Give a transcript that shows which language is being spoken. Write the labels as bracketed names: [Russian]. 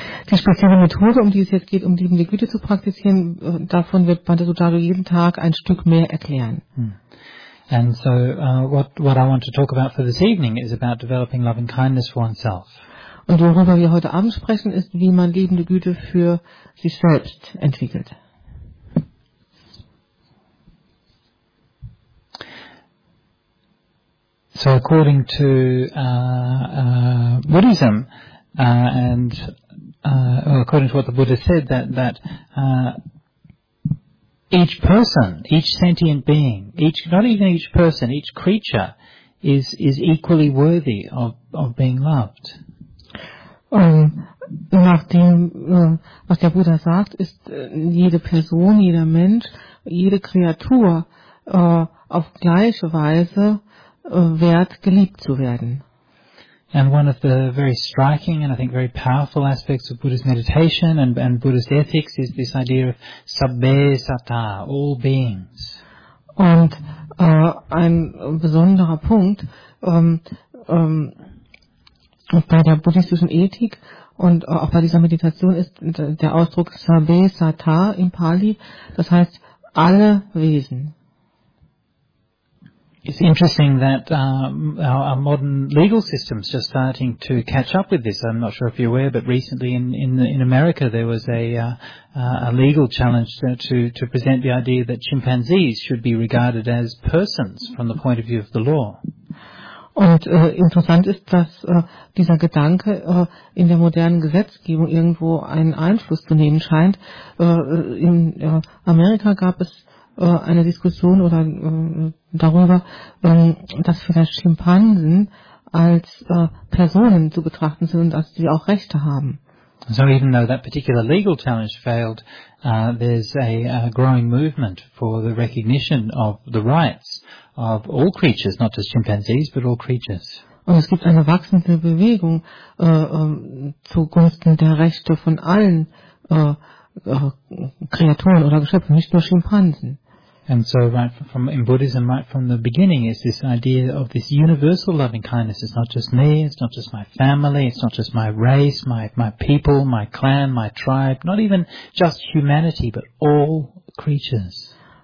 [German] Die spezielle Methode, um die es jetzt geht, um liebende Güte zu praktizieren, davon wird Bandasudaru jeden Tag ein Stück mehr erklären. [English] And so what I want to talk about for this evening is about developing loving kindness for oneself. [German] Und worüber wir heute Abend sprechen, ist, wie man liebende Güte für sich selbst entwickelt. [English] So according to Buddhism, according to what the Buddha said, that each person, each sentient being, each creature is equally worthy of being loved. [German] Was der Buddha sagt, ist jede Person, jeder Mensch, jede Kreatur auf gleiche Weise wert, geliebt zu werden. [English] And one of the very striking and I think very powerful aspects of Buddhist meditation and Buddhist ethics is this idea of sabbe sattā, all beings. [German] Und ein besonderer Punkt bei der buddhistischen Ethik und auch bei dieser Meditation ist der Ausdruck sabbe sattā in Pali, das heißt alle Wesen. [English] It's interesting that our modern legal system's just starting to catch up with this. I'm not sure if you're aware, but recently in America there was a legal challenge to present the idea that chimpanzees should be regarded as persons from the point of view of the law. [German] Und interessant ist, dass dieser Gedanke in der modernen Gesetzgebung irgendwo einen Einfluss zu nehmen scheint. In Amerika gab es eine Diskussion oder darüber, dass vielleicht Schimpansen als Personen zu betrachten sind und dass sie auch Rechte haben. [English] So even though that particular legal challenge failed, there's a growing movement for the recognition of the rights of all creatures, not just chimpanzees, but all creatures. [German] Und es gibt eine wachsende Bewegung zugunsten der Rechte von allen Kreaturen oder Geschöpfen, nicht nur Schimpansen. [English] And so right from in Buddhism, right from the beginning, is this idea of this universal loving kindness. It's not just me, it's not just my family, it's not just my race, my people, my clan, my tribe, not even just humanity, but all creatures.